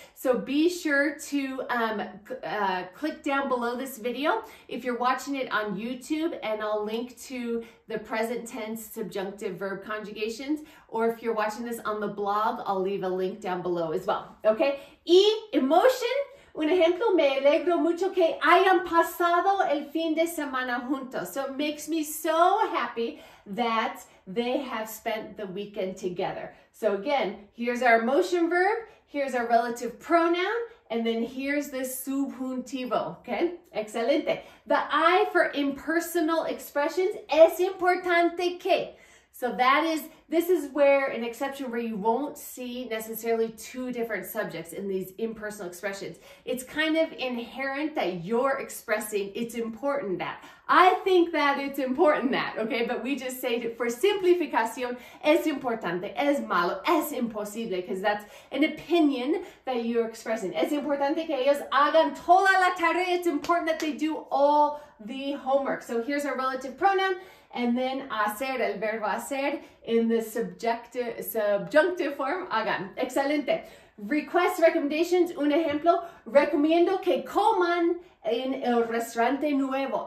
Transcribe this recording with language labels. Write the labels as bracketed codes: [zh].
[en] So be sure to click down below this video if you're watching it on YouTube, and I'll link to the present tense subjunctive verb conjugations. Or if you're watching this on the blog, I'll leave a link down below as well, okay? Y emotion. [es] Un ejemplo, me alegro mucho que hayan pasado el fin de semana juntos. [en] So it makes me so happy that they have spent the weekend together. So again, here's our emotion verb, here's our relative pronoun, and then here's the subjuntivo, okay? Excelente. The I for impersonal expressions, [es] es importante que. [en] So this is where an exception where you won't see necessarily two different subjects in these impersonal expressions. It's kind of inherent that you're expressing it's important that. I think that it's important that, okay? But we just say that for simplificación, [es] es importante, es malo, es imposible, [en] because that's an opinion that you're expressing. [es] Es importante que ellos hagan toda la tarea. [en] It's important that they do all the homework. So here's our relative pronoun. And then hacer, [es] el verbo hacer, [en] in the subjunctive form, hagan. Excelente. Request recommendations, [es] un ejemplo. Recomiendo que coman en el restaurante nuevo.